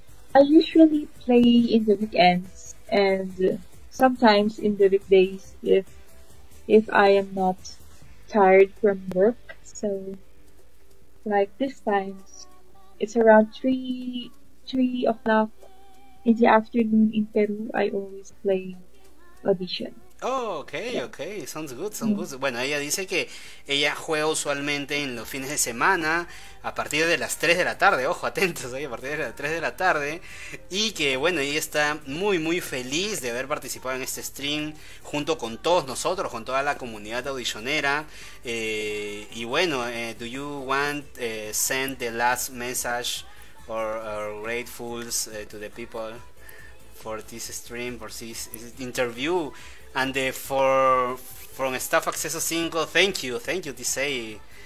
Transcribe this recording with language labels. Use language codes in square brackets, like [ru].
[en] I usually play in the weekends and sometimes in the weekdays if I am not tired from work. So like this time, it's around 3 o'clock in the afternoon in Peru. I always play Audition. Oh, okay, sounds good, sounds good. [es] Bueno, ella dice que ella juega usualmente en los fines de semana a partir de las 3 de la tarde, ojo, atentos, ¿eh? A partir de las 3 de la tarde, y que bueno, ella está muy muy feliz de haber participado en este stream junto con todos nosotros, con toda la comunidad audicionera. Y bueno, [en] do you want send the last message or gratefuls to the people for this stream, for this interview? And from Staff Access 5, thank you, Tisei.